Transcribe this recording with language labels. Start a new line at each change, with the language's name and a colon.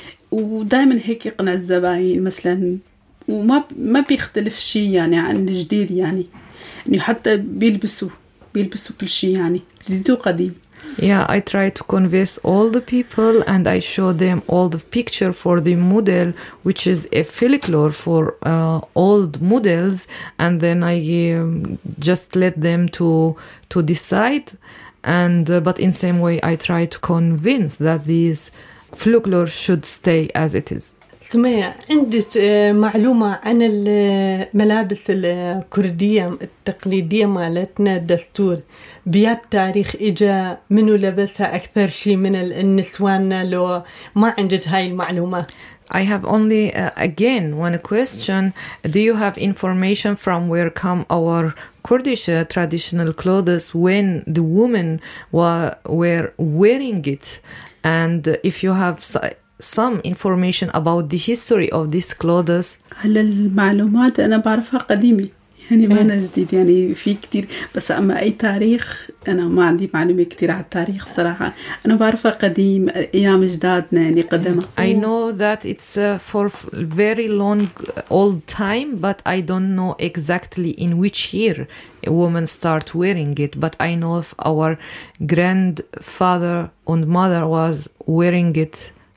Arabic: ودائماً هيك يقنع الزبائن مثلاً وما بيختلف شيء يعني عن الجديد يعني حتى بيلبسوا كل شيء يعني جديد وقديم.
English: Yeah, I try to convince all the people and I show them all the picture for the model, which is a folklore for old models, and then I just let them to decide. And but in same way, I try to convince that these folklore should stay as it is.
Arabic: سمية, عندك معلومة عن الملابس الكردية التقليدية مالتنا الدستور بياب تاريخ إجا منو لبسها أكثر شيء من النسوان لو ما عندك هاي المعلومة؟
English: I have only again one question. Do you have information from where come our Kurdish traditional clothes when the women were wearing it? And if you have some information about the history of these clothes.
Arabic: هلا المعلومات أنا بعرفها قديمة يعني ما أنا جديد يعني في كتير بس أما أي تاريخ أنا ما عندي معلومة كتير على التاريخ صراحة أنا بعرفها قديم أيام أجدادنا يعني قدمة.
English: I know that it's for very long old time but I don't know exactly in which year a woman start wearing it but I know if our grandfather and mother was wearing it